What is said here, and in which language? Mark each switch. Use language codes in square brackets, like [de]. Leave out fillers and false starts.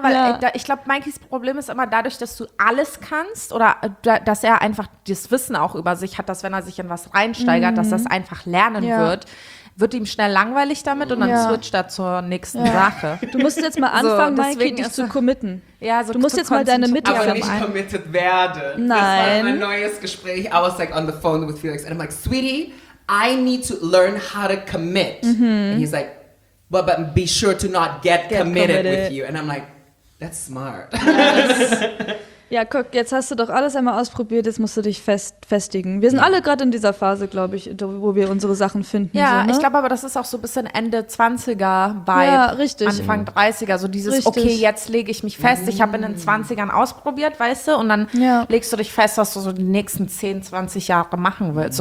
[de] Weil ich glaube, Mikeys Problem ist immer dadurch, dass du alles kannst oder dass er einfach das Wissen auch über sich hat, dass wenn er sich in was reinsteigert, dass das einfach lernen wird. Wird ihm schnell langweilig damit und dann switcht er zur nächsten Sache. Du musst jetzt mal anfangen, so, Mikey, dich zu committen. Ja, so du musst jetzt mal deine Mitte finden. Aber nicht committed werde. Nein. Das war mein neues Gespräch. [en] I was like on the phone with Felix and I'm like, sweetie, I need to learn how to commit. And he's like, but be sure to not get committed with you. And I'm like, that's smart. Yes. [de] Ja, guck, jetzt hast du doch alles einmal ausprobiert, jetzt musst du dich festigen. Wir sind alle gerade in dieser Phase, glaube ich, wo wir unsere Sachen finden. Ja, so, ne? Ich glaube aber, das ist auch so ein bisschen Ende 20er-Vibe. Ja, richtig. Anfang 30er, so dieses, okay, jetzt lege ich mich fest. Ich habe in den 20ern ausprobiert, weißt du, und dann legst du dich fest, was du so die nächsten 10, 20 Jahre machen willst.